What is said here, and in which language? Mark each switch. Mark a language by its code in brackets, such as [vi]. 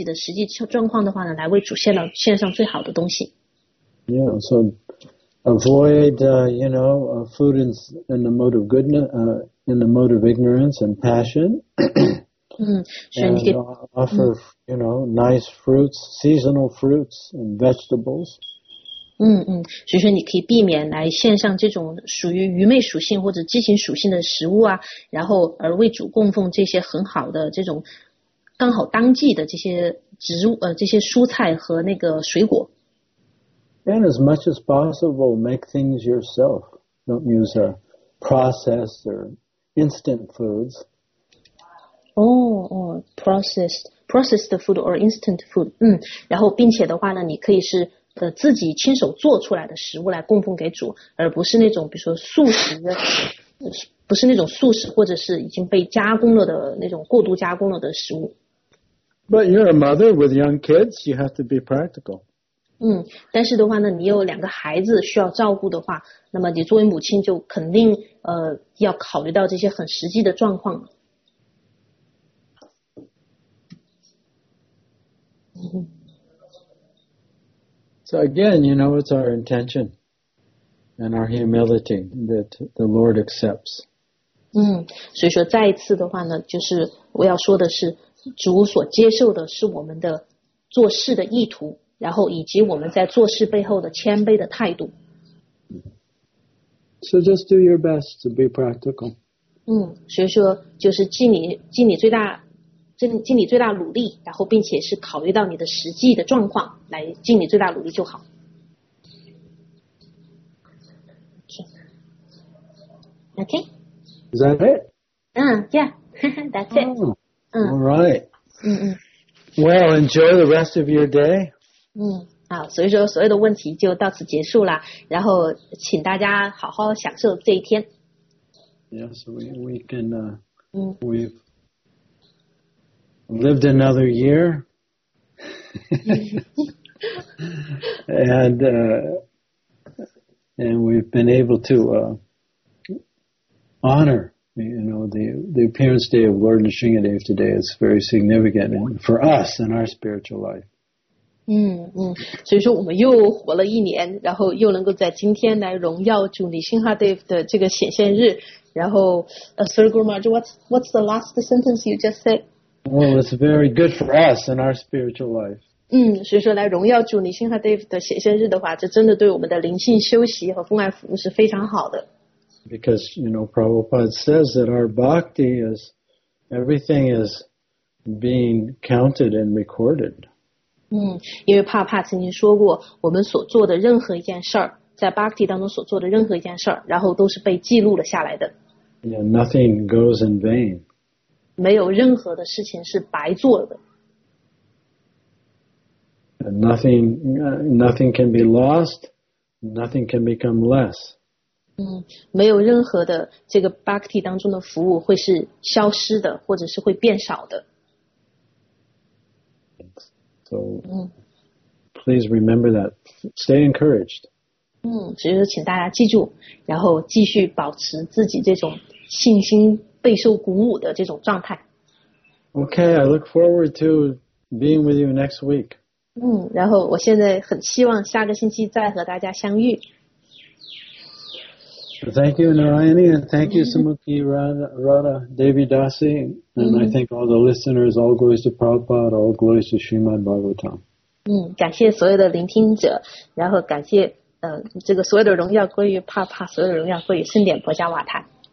[zh] 所以你可以努力尝试来献上最好的东西，但是的话呢，请你是考虑到你的这个实际的这样一种状况，你考虑到自己的实际状况的话呢，来为主献上最好的东西。 [en] Yeah, so avoid, you know, food in the mode of goodness, in the mode of ignorance and passion. and offer, you know, nice fruits, seasonal fruits and vegetables. [zh] 所以说你可以避免来献上这种属于愚昧属性或者畸形属性的食物啊，然后而为主供奉这些很好的这种刚好当季的这些植物这些蔬菜和那个水果。 [en] And as much as possible, make things yourself. Don't use a processed or instant foods. Processed food or instant food. [zh] 然后并且的话呢，你可以是自己亲手做出来的食物来供奉给主，而不是那种比如说素食的，不是那种素食或者是已经被加工了的那种过度加工了的食物。 [en] But you're a mother with young kids. You have to be practical. [zh] 但是的话呢，你有两个孩子需要照顾的话，那么你作为母亲就肯定要考虑到这些很实际的状况。 [en] So again, you know, it's our intention and our humility that the Lord accepts. [zh] 所以说再一次的话呢，就是我要说的是，主所接受的是我们的做事的意图，然后以及我们在做事背后的谦卑的态度。 [en] So just do your best to be practical. [zh] 所以说就是尽你最大努力，然后并且是考虑到你的实际的状况，来尽你最大努力就好。 [en] Okay. Is that it? Yeah. That's it. All right. Well, enjoy the rest of your day. [zh] 好，所以说所有的问题就到此结束了，然后请大家好好享受这一天。 [en] Yes, we can. We've lived another year, and we've been able to honor, you know, the appearance day of Lord Nrisimhadev today is very significant for us in our spiritual life. [zh] 所以说我们又活了一年，然后又能够在今天来荣耀主尼辛哈德的这个显现日，然后 [en] Sir Guru Maharaj, what's the last sentence you just said? Well, it's very good for us in our spiritual life. [zh] 所以说来荣耀主尼辛哈德的显现日的话，这真的对我们的灵性修习和奉爱服务是非常好的。 [en] Because, you know, Prabhupada says that our bhakti is, everything is being counted and recorded. [zh] 因为帕帕曾经说过，我们所做的任何一件事儿，在 bhakti 当中所做的任何一件事儿，然后都是被记录了下来的。 [en] Yeah, nothing goes in vain. [zh] 没有任何的事情是白做的。 [en] Nothing can be lost, nothing can become less. [zh] 没有任何的这个 bhakti 当中的服务会是消失的，或者是会变少的。 [en] So, please remember that. Stay encouraged. [zh] 所以说请大家记住，然后继续保持自己这种信心备受鼓舞的这种状态。 [en] Okay, I look forward to being with you next week. [zh] 然后我现在很希望下个星期再和大家相遇。 [en] Thank you, Narayani, and thank you, Sumukhi, Radha, Devi Dasi, and I thank all the listeners, all glories to Prabhupada, all glories to Srimad Bhagavatam. [zh] 感谢所有的聆听者，然后感谢这个所有的荣耀归于帕帕，所有的荣耀归于圣典婆伽瓦坦。